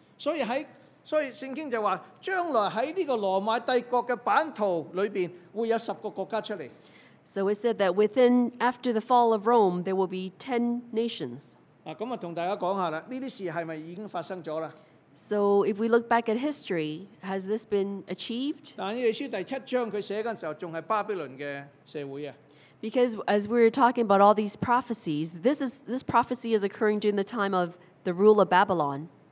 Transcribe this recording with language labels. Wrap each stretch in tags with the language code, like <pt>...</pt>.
<en>So it said that after the fall of Rome, there will be 10 nations.</en> <yue>啊，咁啊，同大家講下啦，呢啲事係咪已經發生咗啦？</yue> <en>So if we look back at history, has this been achieved?</en> <yue>但以利書第七章佢寫嗰陣時候，仲係巴比倫嘅社會啊。</yue> <en>Because as we're talking about all these prophecies, this prophecy is occurring during the time of the rule of Babylon.</en>